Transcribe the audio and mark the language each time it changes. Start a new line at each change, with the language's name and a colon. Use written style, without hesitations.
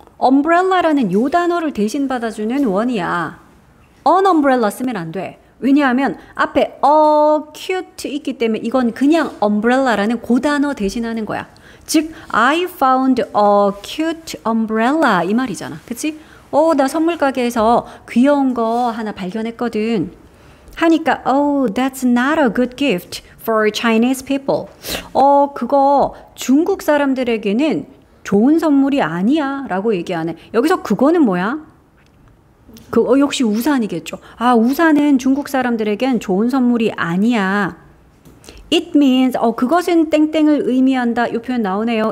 Korean: Umbrella라는 요 단어를 대신 받아주는 원이야.
English: An umbrella
Korean: 쓰면 안 돼. 왜냐하면 앞에 cute 있기 때문에 이건 그냥 umbrella라는 고단어 대신하는 거야.
English: 즉, I found a cute umbrella
Korean: 이 말이잖아. 그치? 나 선물 가게에서 귀여운 거 하나 발견했거든. 하니까,
English: oh, that's not a good gift for Chinese people.
Korean: 그거 중국 사람들에게는 좋은 선물이 아니야 라고 얘기하네. 여기서 그거는 뭐야? 역시 우산이겠죠. 아, 우산은 중국 사람들에겐 좋은 선물이 아니야.
English: It means,
Korean: 그것은 땡땡을 의미한다. 이 표현 나오네요.